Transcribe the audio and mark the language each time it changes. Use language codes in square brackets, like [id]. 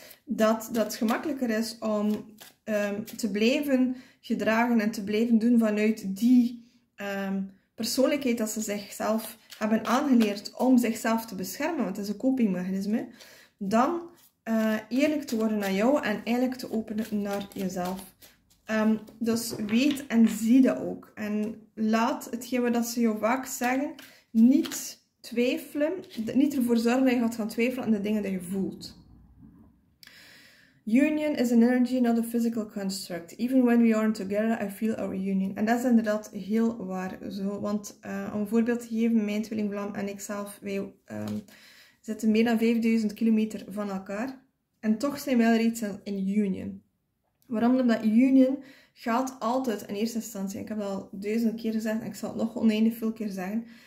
[nl] Dat het gemakkelijker is om te blijven gedragen en te blijven doen vanuit die persoonlijkheid dat ze zichzelf hebben aangeleerd om zichzelf te beschermen, want het is een copingmechanisme, dan eerlijk te worden naar jou en eigenlijk te openen naar jezelf. Dus weet en zie dat ook. En laat hetgeen wat ze jou vaak zeggen niet twijfelen, niet ervoor zorgen dat je gaat gaan twijfelen aan de dingen die je voelt. [en] Union is an energy, not a physical construct. Even when we aren't together, I feel our union. [nl] En dat is inderdaad heel waar. Zo, want om een voorbeeld te geven, mijn tweeling Vlam en ik zelf, wij zitten meer dan 5000 kilometer van elkaar. En toch zijn wij er iets in union. Waarom? Omdat union gaat altijd in eerste instantie. Ik heb dat al 1000 keer gezegd en ik zal het nog oneindig veel keer zeggen.